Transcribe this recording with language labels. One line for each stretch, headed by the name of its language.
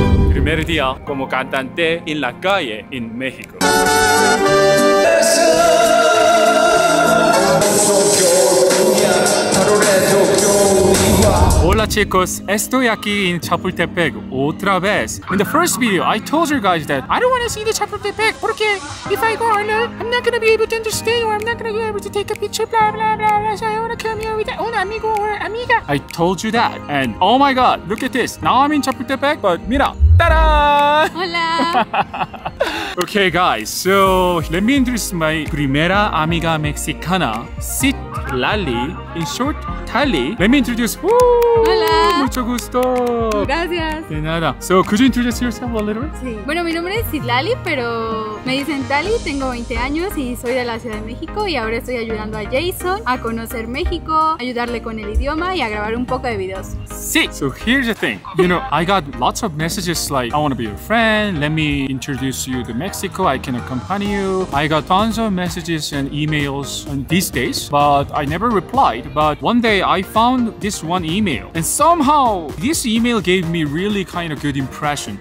Spanish: Primer día como cantante en la calle en México. Hola chicos, estoy aquí en Chapultepec otra vez.
English: In the first video, I told you guys that I don't want to see the Chapultepec porque if I go, I'm not gonna be able to understand or I'm not gonna be able to take a picture, blah blah blah blah. So I want to come here with
Spanish: un amigo
English: or amiga. I told you that, and oh my god, look at this. Now I'm in Chapultepec, but mira, ta-da!
Spanish: Hola.
English: Okay guys, so let me introduce my
Spanish: primera amiga mexicana,
English: Sit Lali, in short, Tali. Let me introduce,
Spanish: Hola. Mucho gusto. Gracias. De nada.
English: So could you introduce yourself a little bit?
Spanish: Sí. Bueno, mi nombre es Sit Lali, pero me dicen Tali, tengo 20 años y soy de la Ciudad de México y ahora estoy ayudando a Jason a conocer México, ayudarle con el idioma y a grabar un poco de videos. Sí.
English: So here's the thing, you know, I got lots of messages like, I want to be your friend, let me introduce you to Mexico, I can accompany you. I got tons of messages and emails on these days, but I never replied. But one day I found this one email, and somehow this email gave me really kind of good impression.